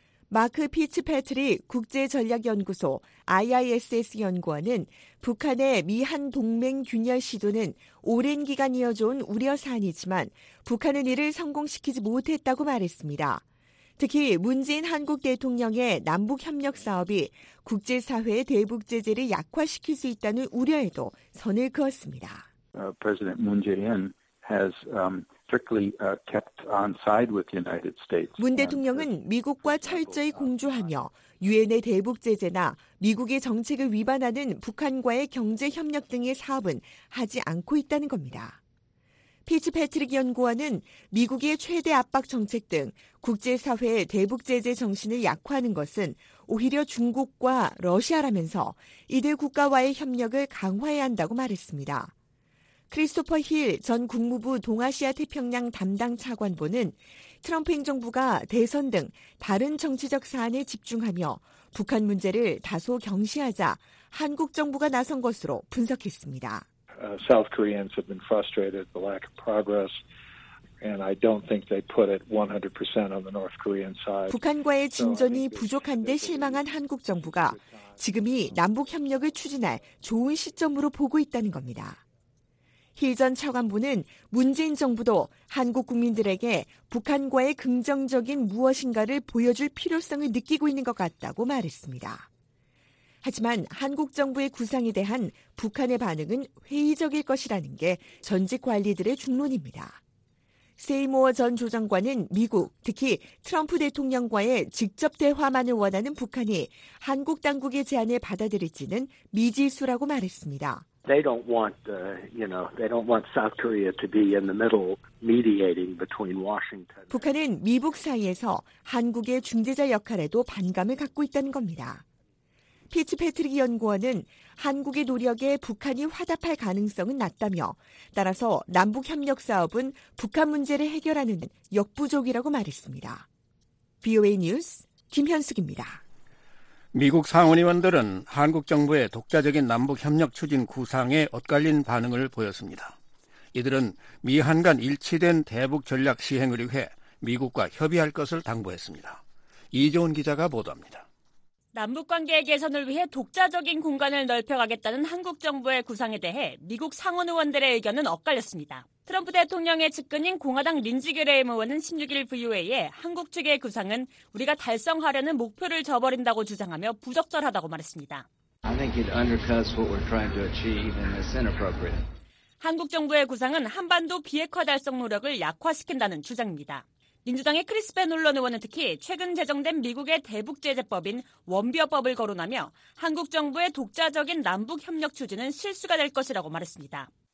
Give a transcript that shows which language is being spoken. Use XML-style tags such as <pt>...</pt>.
<ko>마크 피츠패트릭 국제전략연구소 ISS 연구원은 북한의 미한 동맹 균열 시도는 오랜 기간 이어져온 우려 사안이지만 북한은 이를 성공시키지 못했다고 말했습니다. 특히 문재인 한국 대통령의 남북협력 사업이 국제사회의 대북 제재를 약화시킬 수 있다는 우려에도 선을 그었습니다.</ko> <en>President 문재인 has strictly kept on side with the United States.</en> <ko>문 대통령은 미국과 철저히 공조하며 유엔의 대북 제재나 미국의 정책을 위반하는 북한과의 경제 협력 등의 사업은 하지 않고 있다는 겁니다. 피츠 패트릭 연구원은 미국의 최대 압박 정책 등 국제사회의 대북 제재 정신을 약화하는 것은 오히려 중국과 러시아라면서 이들 국가와의 협력을 강화해야 한다고 말했습니다. 크리스토퍼 힐 전 국무부 동아시아 태평양 담당 차관보는 트럼프 행정부가 대선 등 다른 정치적 사안에 집중하며 북한 문제를 다소 경시하자 한국 정부가 나선 것으로 분석했습니다.</ko> <en>South Koreans have been frustrated at the lack of progress. And I don't think they put it 100% on the North Korean side.</en> <ko>북한과의 진전이 부족한데 실망한 한국 정부가 지금이 남북 협력을 추진할 좋은 시점으로 보고 있다는 겁니다. 힐 전 차관보는 문재인 정부도 한국 국민들에게 북한과의 긍정적인 무엇인가를 보여줄 필요성을 느끼고 있는 것 같다고 말했습니다. 하지만 한국 정부의 구상에 대한 북한의 반응은 회의적일 것이라는 게 전직 관리들의 중론입니다. 세이모어 전 조장관은 미국, 특히 트럼프 대통령과의 직접 대화만을 원하는 북한이 한국 당국의 제안을 받아들일지는 미지수라고 말했습니다.</ko> <en>They don't want, you know, they don't want South Korea to be in the middle mediating between Washington.</en> <ko>북한은 미북 사이에서 한국의 중재자 역할에도 반감을 갖고 있다는 겁니다. 피츠 패트릭 연구원은 한국의 노력에 북한이 화답할 가능성은 낮다며 따라서 남북협력 사업은 북한 문제를 해결하는 역부족이라고 말했습니다. VOA 뉴스 김현숙입니다. 미국 상원의원들은 한국 정부의 독자적인 남북협력 추진 구상에 엇갈린 반응을 보였습니다. 이들은 미한 간 일치된 대북 전략 시행을 위해 미국과 협의할 것을 당부했습니다. 이종훈 기자가 보도합니다. 남북관계 개선을 위해 독자적인 공간을 넓혀가겠다는 한국 정부의 구상에 대해 미국 상원의원들의 의견은 엇갈렸습니다. 트럼프 대통령의 측근인 공화당 린지 그레임 의원은 16일 VOA에 한국 측의 구상은 우리가 달성하려는 목표를 저버린다고 주장하며 부적절하다고 말했습니다.</ko> <en>I think it undercuts what we're trying to achieve and it's inappropriate.</en> <ko>한국 정부의 구상은 한반도 비핵화 달성 노력을 약화시킨다는 주장입니다. 민주당의 크리스 베놀런 의원은 특히 최근 제정된 미국의 대북제재법인 원비어법을 거론하며 한국 정부의 독자적인 남북협력 추진은 실수가 될 것이라고 말했습니다.</ko>